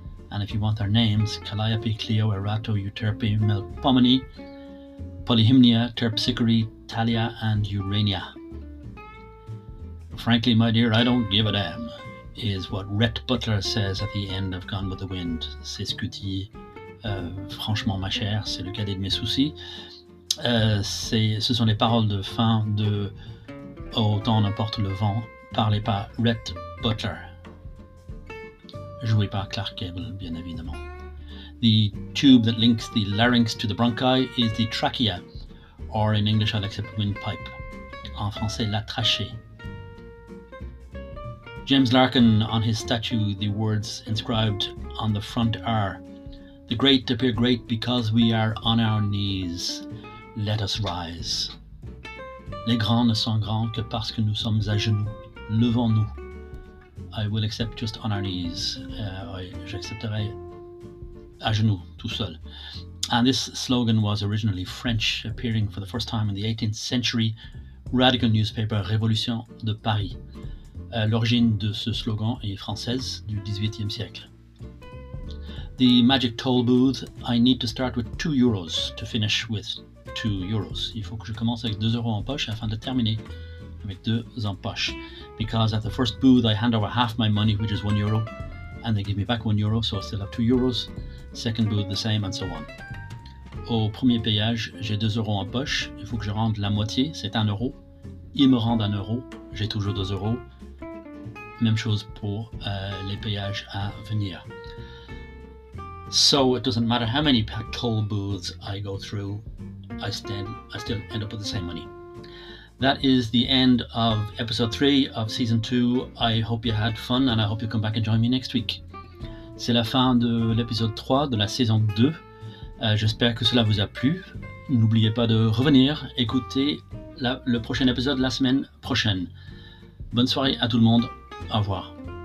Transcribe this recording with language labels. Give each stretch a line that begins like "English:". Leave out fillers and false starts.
English: And if you want their names, Calliope, Cleo, Erato, Euterpe, Melpomene, Polyhymnia, Terpsichore, Talia, and Urania. Frankly, my dear, I don't give a damn, is what Rhett Butler says at the end of Gone with the Wind.
French: C'est ce que dit, franchement, ma chère, c'est le cadet de mes soucis. Ce sont les paroles de fin de Autant n'importe le vent. Parlez pas Rhett Butler, joué par Clark Gable, bien évidemment.
English: The tube that links the larynx to the bronchi is the trachea, or in English I like to say windpipe.
French: En français, la trachée.
English: James Larkin, on his statue, the words inscribed on the front are, "The great appear great because we are on our knees. Let us rise.
French: Les grands ne sont grands que parce que nous sommes à genoux. Levons-nous."
English: I will accept just on our knees.
French: J'accepterai à genoux, tout seul.
English: And this slogan was originally French, appearing for the first time in the 18th century radical newspaper Révolution de Paris.
French: L'origine de ce slogan est française du 18e siècle.
English: The magic toll booth, I need to start with 2 euros to finish with 2 euros.
French: Il faut que je commence avec 2 euros en poche afin de terminer avec 2 en poche.
English: Because at the first booth I hand over half my money, which is 1 euro, and they give me back 1 euro, so I still have 2 euros. Second booth the same, and so on.
French: Au premier payage, j'ai 2 euros en poche, il faut que je rende la moitié, c'est 1 euro. Ils me rendent 1 euro, j'ai toujours 2 euros. Même chose pour les payages à venir.
English: So it doesn't matter how many toll booths I go through, I still end up with the same money. That is the end of episode 3 of season 2. I hope you had fun and I hope you come back and join me next week.
French: C'est la fin de l'épisode 3 de la saison 2. J'espère que cela vous a plu. N'oubliez pas de revenir écouter le prochain épisode la semaine prochaine. Bonne soirée à tout le monde. Au revoir.